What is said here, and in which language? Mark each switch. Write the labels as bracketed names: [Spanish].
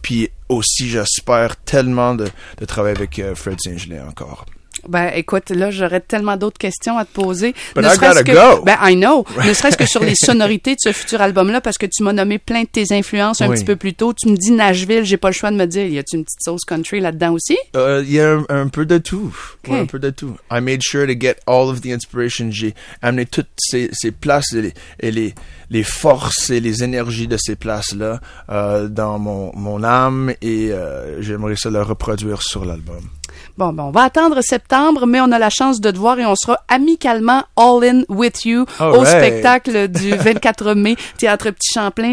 [French] Puis aussi, j'espère tellement de travailler avec Fred Saint-Gelais encore. Ben, écoute, là, j'aurais tellement d'autres questions à te poser. [English] But I gotta go. Ben, I know. [French] Ne serait-ce que sur les sonorités de ce futur album-là, parce que tu m'as nommé plein de tes influences un petit peu plus tôt. Tu me dis Nashville, j'ai pas le choix de me dire. Y a-tu une petite sauce country là-dedans aussi? Il y a un peu de tout. Okay. Ouais, un peu de tout. [English] I made sure to get all of the inspiration. [French] J'ai amené toutes ces places et les forces et les énergies de ces places-là dans mon âme et j'aimerais ça le reproduire sur l'album. Bon, ben, on va attendre septembre, mais on a la chance de te voir et on sera amicalement [English] all in with you [French] au spectacle du 24 mai, Théâtre Petit Champlain.